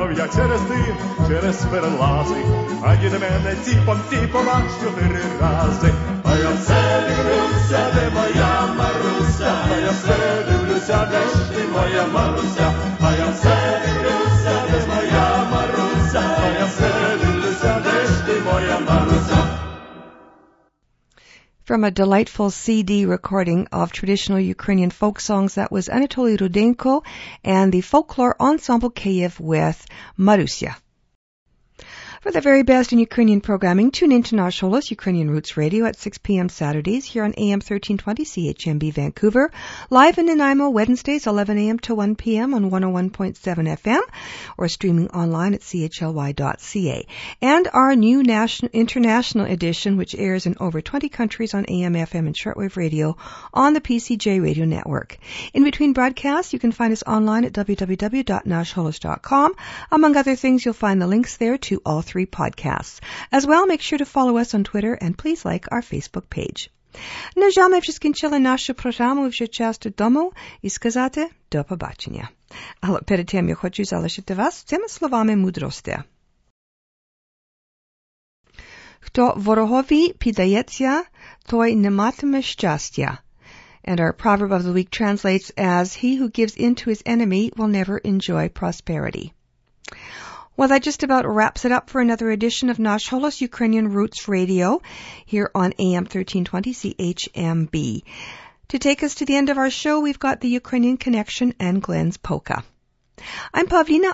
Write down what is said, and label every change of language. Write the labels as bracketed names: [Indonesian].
[Ukrainian] Через дим, через перелази, а діде мене тіпом-тіпом аж чотири рази. А я все дивлюся, де моя Маруся, а я все дивлюся, де ж ти моя Маруся. А я все дивлюся, де моя Маруся, а я все дивлюся, де ж ти моя Маруся. [English] From a delightful CD recording of traditional Ukrainian folk songs, that was Anatoly Rudenko and the Folklore Ensemble Kyiv with Marusya. For the very best in Ukrainian programming, tune in to Nash Holos Ukrainian Roots Radio at 6 p.m. Saturdays here on AM 1320 CHMB Vancouver, live in Nanaimo Wednesdays 11 a.m. to 1 p.m. on 101.7 FM, or streaming online at chly.ca. And our new international edition, which airs in over 20 countries on AM, FM, and shortwave radio on the PCJ Radio Network. In between broadcasts, you can find us online at www.nashholos.com. Among other things, you'll find the links there to all three podcasts. As well, make sure to follow us on Twitter and please like our Facebook page. [Ukrainian] На жаль, ми вже скінчили нашу програму вже час додому і сказати до побачення. Але перед тим я хочу залишити вас цими словами мудрості. Хто ворогові піддається, той не матиме щастя. [English] And our proverb of the week translates as, he who gives in to his enemy will never enjoy prosperity. Well, that just about wraps it up for another edition of Nash Holos Ukrainian Roots Radio here on AM 1320 CHMB. To take us to the end of our show, we've got the Ukrainian Connection and Glenn's Polka. I'm Pavlina.